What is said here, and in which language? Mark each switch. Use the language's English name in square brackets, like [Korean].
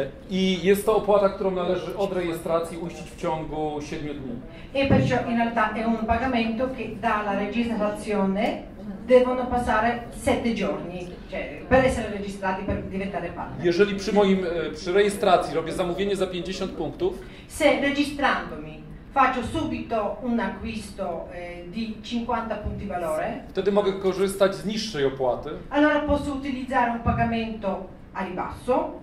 [Polish] I jest to opłata, którą należy od rejestracji uiścić w ciągu 7 dni. [Italian] E perciò in realtà è un pagamento che dalla registrazione devono passare 7 giorni. Cioè, per essere registrati, per diventare partner. [Polish] Jeżeli przy moim, przy rejestracji robię zamówienie za 50 punktów. [Italian] Se registrandomi faccio subito un acquisto di 50 punti valore. [Polish] Wtedy mogę korzystać z niższej opłaty. [Italian] Allora posso utilizzare un pagamento a ribasso.